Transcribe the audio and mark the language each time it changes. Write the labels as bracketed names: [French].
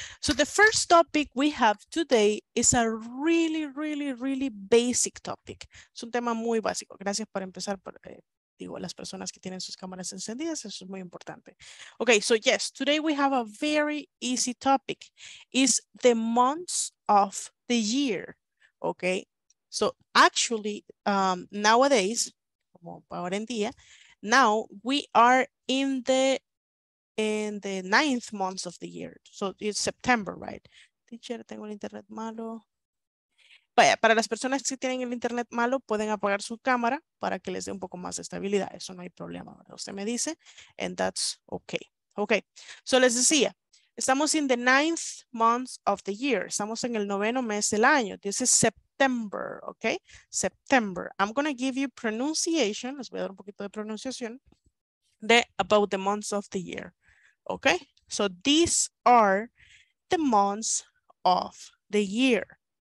[English] So the first topic we have today is a really, really, really basic topic. [Spanish] Es un tema muy básico. Gracias por empezar, por, digo, las personas que tienen sus cámaras encendidas, eso es muy importante. [English] Okay, so yes, today we have a very easy topic. It's the months of the year. Okay, so actually, nowadays, [Spanish] como ahora en día, [English] now we are in the ninth month of the year. So it's September, right? Teacher, [Spanish] tengo el internet malo. Vaya, para las personas que tienen el internet malo, pueden apagar su cámara para que les dé un poco más de estabilidad. Eso no hay problema, ¿verdad? Usted me dice, [English] and that's okay. Okay, so [Spanish] les decía, estamos [English] in the ninth month of the year. [Spanish] Estamos en el noveno mes del año. [English] This is September, okay? September. I'm going to give you pronunciation. [Spanish] Les voy a dar un poquito de pronunciación. [English] De about the months of the year. Okay? So these are the months of the year.